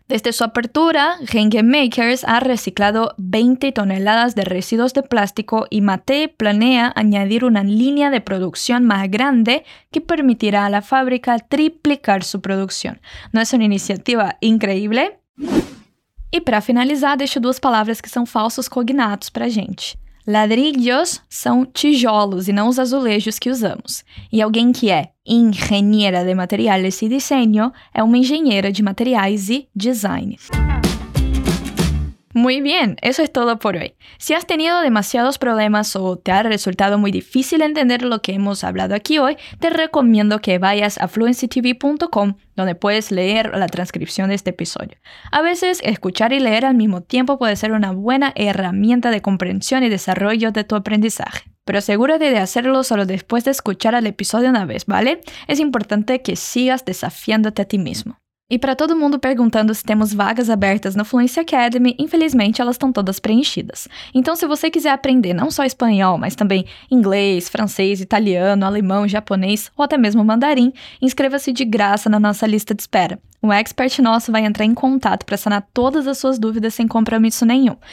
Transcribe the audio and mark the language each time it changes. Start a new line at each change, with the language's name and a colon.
Spanish: Desde su apertura, Genge Makers ha reciclado 20 toneladas de residuos de plástico y Mate planea añadir una línea de producción más grande que permitirá a la fábrica triplicar su producción. ¿No es una iniciativa increíble?
Portuguese: E para finalizar, deixo duas palavras que são falsos cognatos para a gente. Ladrillos são tijolos e não os azulejos que usamos. E alguém que é
Spanish: ingeniera de materiales y diseño
Portuguese: é uma engenheira de materiais e design.
Spanish: Muy bien, eso es todo por hoy. Si has tenido demasiados problemas o te ha resultado muy difícil entender lo que hemos hablado aquí hoy, te recomiendo que vayas a fluencytv.com, donde puedes leer la transcripción de este episodio. A veces, escuchar y leer al mismo tiempo puede ser una buena herramienta de comprensión y desarrollo de tu aprendizaje. Pero asegúrate de hacerlo solo después de escuchar el episodio una vez, ¿vale? Es importante que sigas desafiándote a ti mismo.
Portuguese: E para todo mundo perguntando se temos vagas abertas no Fluency Academy, infelizmente elas estão todas preenchidas. Então, se você quiser aprender não só espanhol, mas também inglês, francês, italiano, alemão, japonês ou até mesmo mandarim, inscreva-se de graça na nossa lista de espera. Um expert nosso vai entrar em contato para sanar todas as suas dúvidas sem compromisso nenhum.